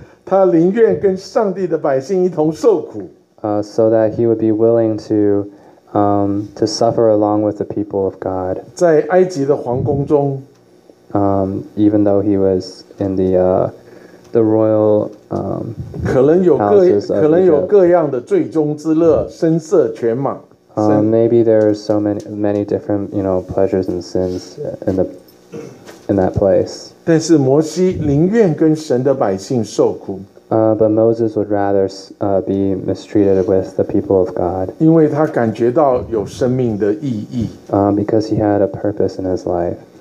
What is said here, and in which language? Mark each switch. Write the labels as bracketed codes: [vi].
[zh] 他宁愿跟上帝的百姓一同受苦。 [en] So that he would be willing to suffer along with the people of God. [zh] 在埃及的皇宫中。 [en] Even though he was in the royal, [zh] 可能有各可能有各样的最终之乐，声色犬马。 [en] Maybe there are so many different, you know, pleasures and sins in that place. [zh] 但是摩西宁愿跟神的百姓受苦。 [en] But Moses would rather be mistreated with the people of God. [zh] 因为他感觉到有生命的意义。 [en] Because he had a purpose in his life.